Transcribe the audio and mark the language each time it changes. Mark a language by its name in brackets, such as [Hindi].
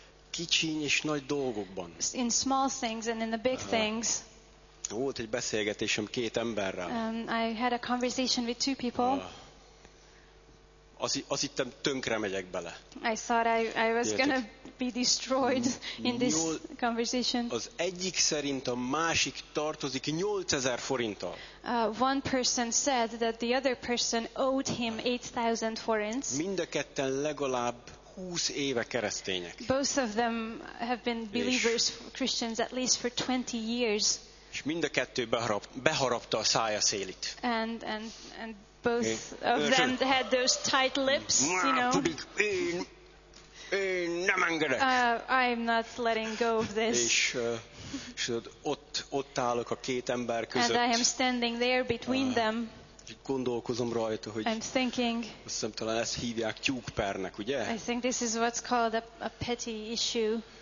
[Hungarian] Kicsiny és nagy dolgokban. [English] In small things and in the big things. [Hungarian] Volt egy beszélgetésem két emberrel. [English] I had a conversation with two people. [Hungarian] Azt hittem, tönkre megyek bele. [English] I thought I was gonna be destroyed in this conversation. [Hungarian] Az egyik szerint a másik tartozik 8000 forinttal. [English] One person said that the other person owed him 8000 forints. [Hungarian] Mind a ketten legalább 20 éve keresztények. [English] Both of them have been believers, Christians, at least for 20 years. [Hungarian] És mind a kettő beharapta a szája szélit. [English] And both of them had those tight lips, you know. I'm not letting go of this. [Hungarian] És ott állok a két ember között. [English] And I am standing there between them. [Hungarian] Gondolkozom rajta, hogy [English] I'm thinking. [Hungarian] Azt hiszem, talán ezt hívják tyúkpernek, ugye? [English] I think this is what's called a petty issue.